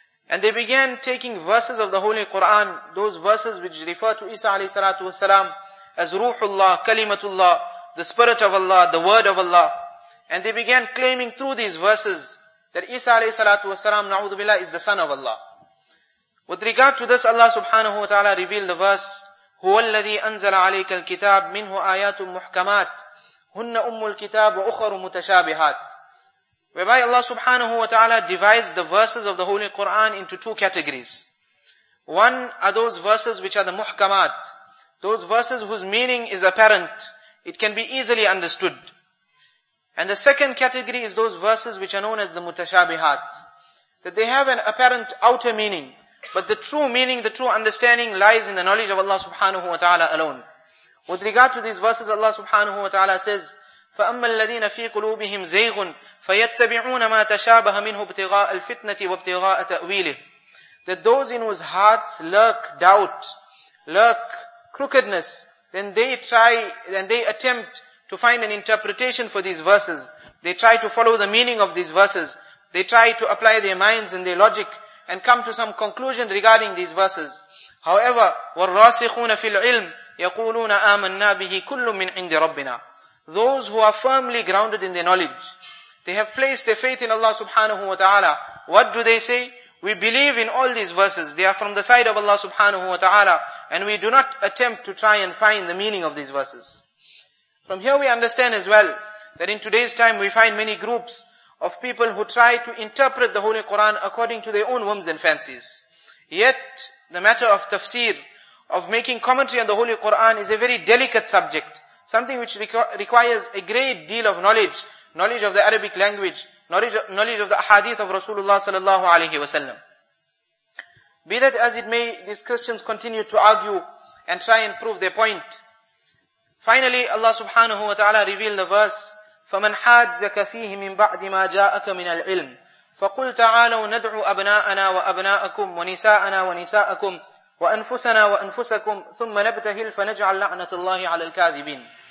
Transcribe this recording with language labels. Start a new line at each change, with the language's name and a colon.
English: And they began taking verses of the Holy Quran, those verses which refer to Isa alayhi salatu wasalam as Ruhullah, Kalimatullah, the Spirit of Allah, the Word of Allah. And they began claiming through these verses that Isa alayhi salatu wasalam, na'udhu billah, is the son of Allah. With regard to this, Allah subhanahu wa ta'ala revealed the verse,
Arabic: هُوَ الَّذِي أَنزَلَ عَلَيْكَ الْكِتَابِ مِنْهُ آيَاتٌ مُحْكَمَاتٌ هُنَّ أُمُّ الْكِتَابِ وَأُخَرُ مُتَشَابِهَاتٌ.
English: Whereby Allah subhanahu wa ta'ala divides the verses of the Holy Quran into two categories. One are those verses which are the muhkamat, those verses whose meaning is apparent, it can be easily understood. And the second category is those verses which are known as the mutashabihat, that they have an apparent outer meaning, but the true meaning, the true understanding lies in the knowledge of Allah subhanahu wa ta'ala alone. With regard to these verses, Allah subhanahu wa ta'ala says,
Arabic: فَأَمَّا الَّذِينَ فِي قُلُوبِهِمْ زَيْغٌ فَيَتَّبِعُونَ مَا تَشَابَهَ مِنْهُ ابْتِغَاءَ الْفِتْنَةِ وَابْتِغَاءَ تَأْوِيلِهِ.
English: That those in whose hearts lurk doubt, lurk crookedness, then they try and they attempt to find an interpretation for these verses. They try to follow the meaning of these verses. They try to apply their minds and their logic and come to some conclusion regarding these verses. However,
Arabic: وَالرَّاسِخُونَ فِي الْعِلْمِ يَقُولُونَ آمَنَّا بِهِ كُلٌّ مِّنْ عِنْدِ رَبِّنَا.
English: Those who are firmly grounded in their knowledge, they have placed their faith in Allah subhanahu wa ta'ala. What do they say? We believe in all these verses. They are from the side of Allah subhanahu wa ta'ala, and we do not attempt to try and find the meaning of these verses. From here we understand as well that in today's time we find many groups of people who try to interpret the Holy Quran according to their own whims and fancies. Yet the matter of tafsir, of making commentary on the Holy Quran, is a very delicate subject, something which requires a great deal of knowledge, knowledge of the Arabic language, knowledge of the ahadith of Rasulullah sallallahu alaihi wasallam. Be that as it may, these Christians continue to argue and try and prove their point. Finally, Allah subhanahu wa ta'ala revealed the verse,
Arabic: فَمَنْ حَاجَّكَ فِيهِ مِنْ بَعْدِ مَا جَاءَكَ مِنَ الْعِلْمِ فَقُلْ تَعَالَوْ نَدْعُ أَبْنَاءَنَا وَأَبْنَاءَكُمْ وَنِسَاءَنَا وَنِسَاءَكُمْ وَأَنفُسَنَا وَأَنفُسَكُمْ ثُمَّ نَبْتَهِلْ فَنَجْعَلْ لَعْنَةَ اللَّهِ عَلَى الْكَاذِبِينَ.